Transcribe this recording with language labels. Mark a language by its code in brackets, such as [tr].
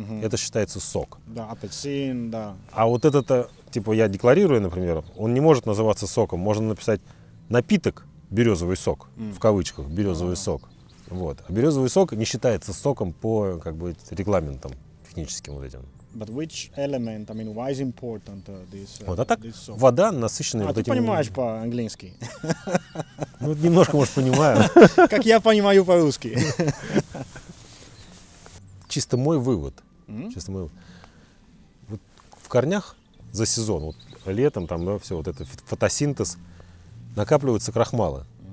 [ru] Это считается сок. Да, апельсин, да. А вот этот, типа, я декларирую, например, он не может называться соком. Можно написать напиток березовый сок, в кавычках, березовый сок. Вот. А березовый сок не считается соком по, как бы, регламентам техническим вот этим. [en] But which element, I mean, why is important this soap? [ru] Вот, а так, вода, насыщенная вот этим... А ты понимаешь по-английски? Ну, немножко, может, понимаю. Как я понимаю по-русски. Чисто мой вывод. Чисто мой вывод. В корнях за сезон, вот летом, там, да, все вот это, фотосинтез, накапливаются крахмалы.